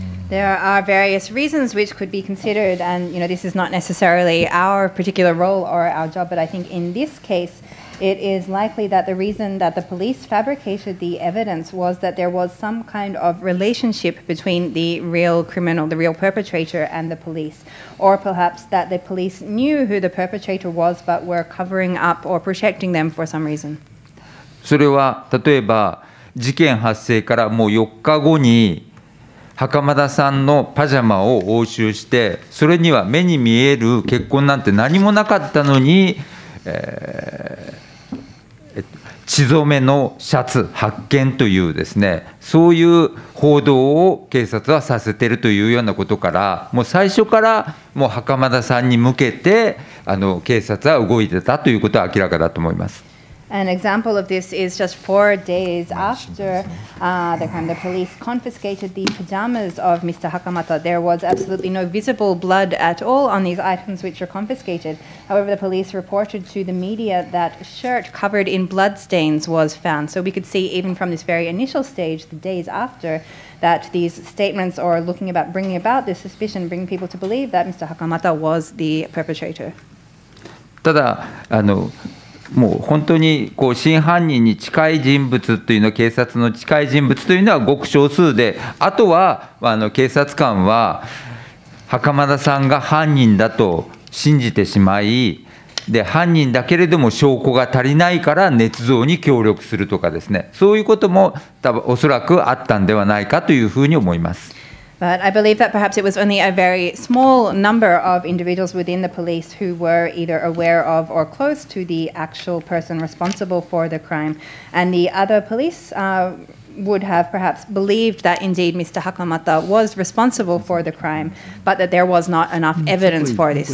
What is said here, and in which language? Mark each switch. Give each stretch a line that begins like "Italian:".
English: There are various reasons which could be considered, and you know, this is not necessarily our particular role or our job, but I think in this case, it is likely that the reason that the police fabricated the evidence was that there was some kind of relationship between the real criminal, the real perpetrator, and the police. Or perhaps that the police knew who the perpetrator was, but were covering up or protecting them for some reason.
Japanese: それは例えば事件発生からもう4日後に袴田さんのパジャマを押収して、それには目に見える血痕なんて何もなかったのに、血染めのシャツ発見というですね、そういう報道を警察はさせているというようなことから、もう最初からもう袴田さんに向けて警察は動いてたということは明らかだと思います。
English: An example of this is just 4 days after the crime, the police confiscated the pajamas of Mr. Hakamata. There was absolutely no visible blood at all on these items which were confiscated. However, the police reported to the media that a shirt covered in blood stains was found. So we could see even from this very initial stage, the days after, that these statements or looking about bringing about this suspicion, bringing people to believe that Mr. Hakamata was the perpetrator.
Japanese: ただ、もう本当にこう真犯人に近い人物というのは、警察の近い人物というのはごく少数で、あとは警察官は袴田さんが犯人だと信じてしまい、で犯人だけれども証拠が足りないから捏造に協力するとかですね、そういうことも多分おそらくあったんではないかというふうに思います。
English: But I believe that perhaps it was only a very small number of individuals within the police who were either aware of or close to the actual person responsible for the crime. And the other police would have perhaps believed that indeed Mr. Hakamata was responsible for the crime, but that there was not enough evidence for this.